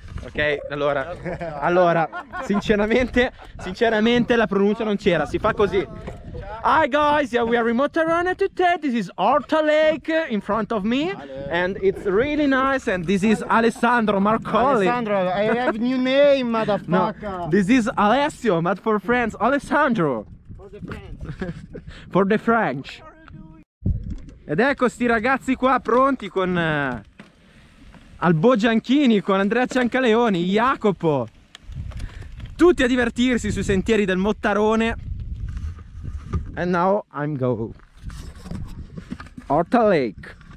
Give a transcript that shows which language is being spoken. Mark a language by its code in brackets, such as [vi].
[it] Ok, allora sinceramente la pronuncia non c'era, si fa così. [en] Hi guys, yeah, we are in Mottarone today. This is Orta Lake in front of me, and it's really nice. And this is Alessandro Marcoli. Alessandro, I have new name, motherfucker. No, this is Alessio, but for friends, Alessandro. For the friends. For the French. [it] Ed ecco sti ragazzi qua pronti con Albo Gianchini, con Andrea Ciancaleoni, Jacopo. Tutti a divertirsi sui sentieri del Mottarone. [en] And now I'm go Orta Lake.